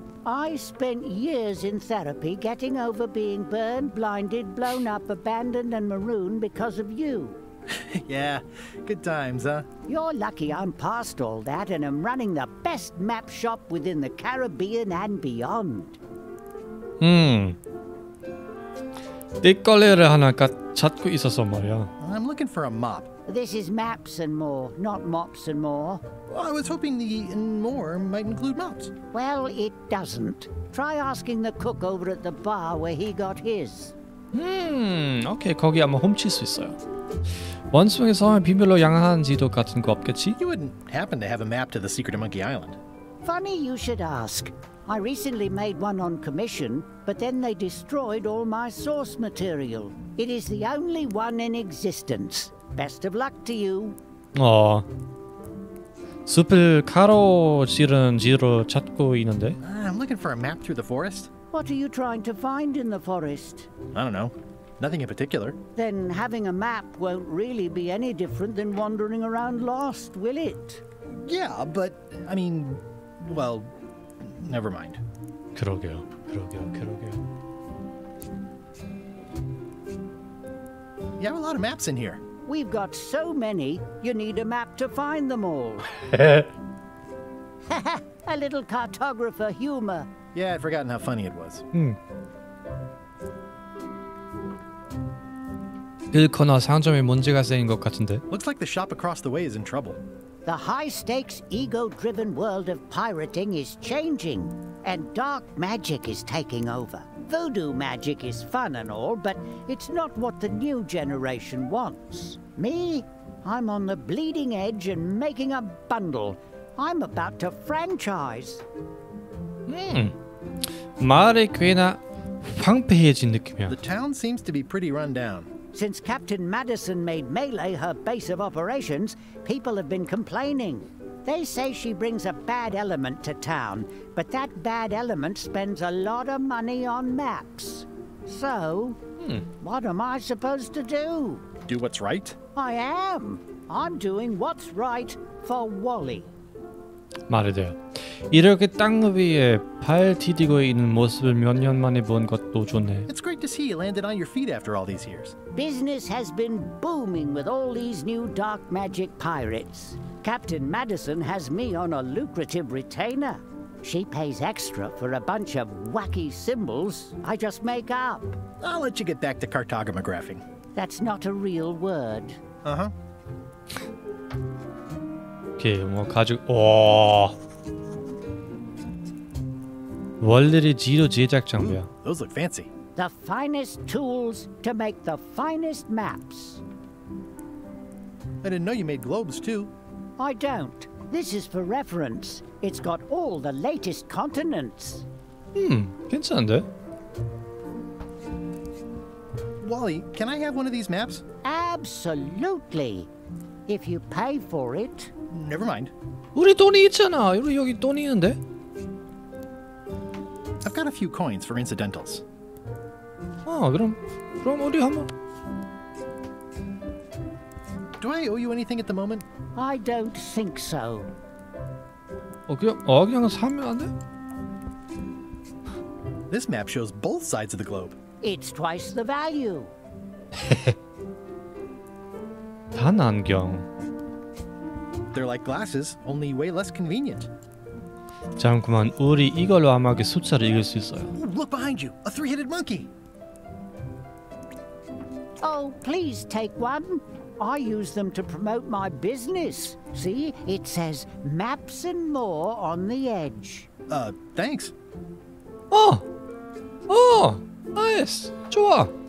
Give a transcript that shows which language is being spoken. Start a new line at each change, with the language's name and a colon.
English: I spent years in therapy getting over being burned, blinded, blown up, abandoned, and marooned because of you. Yeah, good times, huh? You're lucky I'm past all that and am running the best map shop within the Caribbean and beyond.
Korean: 띠걸레를 하나 찾고 있어서 말이야.
English: I'm looking for a mop. This is maps and more, not mops and more. Well, I was hoping the and more might include mops. Well, it doesn't. Try asking the cook over at the bar where he got his.
Korean: Okay, 거기 아마 훔칠 수 있어요. 원숭이 섬의 비밀로 양한 지도 같은 거 없겠지?
English: You wouldn't happen to have a map to the secret of Monkey Island. Funny you should ask. I recently made one on commission, but then they destroyed all my source material. It is the only one in existence. Best of luck to you.
Korean: 숲을 가로지르는 길을 찾고 있는데.
English: I'm looking for a map through the forest. What are you trying to find in the forest? I don't know. Nothing in particular. Then having a map won't really be any different than wandering around lost, will it? Yeah, but I mean, well, never mind.
Korean: 그러게요. 그러게요. 그러게요.
English: You have a lot of maps in here. We've got so many, you need a map to find them all. A little cartographer humor. Yeah, I'd forgotten how funny it was.
Korean: 그 코너 상점에 문제가 생긴 것 같은데.
English: Looks like the shop across the way is in trouble. The high-stakes, ego-driven world of pirating is changing, and dark magic is taking over. Voodoo magic is fun and all, but it's not what the new generation wants. Me? I'm on the bleeding edge and making a bundle. I'm about to franchise.
Korean: 마을이 꽤나 황폐해진 느낌이야.
English: The town seems to be pretty run down. Since Captain Madison made Melee her base of operations, people have been complaining. They say she brings a bad element to town, but that bad element spends a lot of money on maps. So, what am I supposed to do? Do what's right? I am. I'm doing what's right for Wally.
Korean: 말해줘요. 이렇게 땅 위에 발 디디고 있는 모습을 몇 년 만에 본 것도 좋네.
English: It's great to see you landed on your feet after all these years. Business has been booming with all these new dark magic pirates. Captain Madison has me on a lucrative retainer. She pays extra for a bunch of wacky symbols I just make up. I'll let you get back to cartographing. That's not a real word.
Korean: Okay, 뭐 가죽. 와. 원래의 지도 제작 장비야.
English: Those look fancy. The finest tools to make the finest maps. I didn't know you made globes too. I don't. This is for reference. It's got all the latest continents.
Korean: 괜찮은데?
English: Wally, can I have one of these maps? Absolutely. If you pay for it. Never mind.
Korean: 우리 돈이 있잖아. 우리 여기 돈이 있는데.
English: I've got a few coins for incidentals.
Korean: 아, 그럼 그럼 우리 한번.
English: Do I owe you anything at the moment? I don't think so.
Korean: 그냥 사면 안 돼?
English: This map shows both sides of the globe. It's twice the value.
Korean: 단안경.
English: They're like glasses, only way less convenient.
Korean: 잠깐만, 우리 이걸로 아마 그 숫자를 읽을 수 있어요.
English: Ooh, look behind you, a three-headed monkey. Oh, please take one. I use them to promote my business. See, it says maps and more on the edge. Thanks. Oh, oh, nice,
Korean: 좋아.